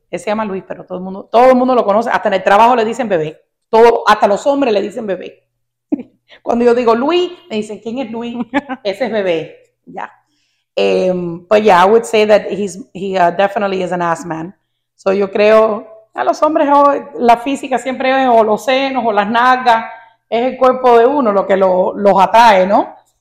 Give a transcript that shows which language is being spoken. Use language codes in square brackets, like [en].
[es] Él se llama Luis, pero todo el mundo lo conoce. Hasta en el trabajo le dicen Bebe. Hasta los hombres le dicen Bebe. Cuando yo digo Luis, me dicen, ¿quién es Luis? Ese es Bebe. Yeah. [en] But yeah, I would say that he definitely is an ass man. [es] So yo creo... A los hombres, la física siempre es o los senos o las nalgas. es el cuerpo de uno lo que los atrae, ¿no?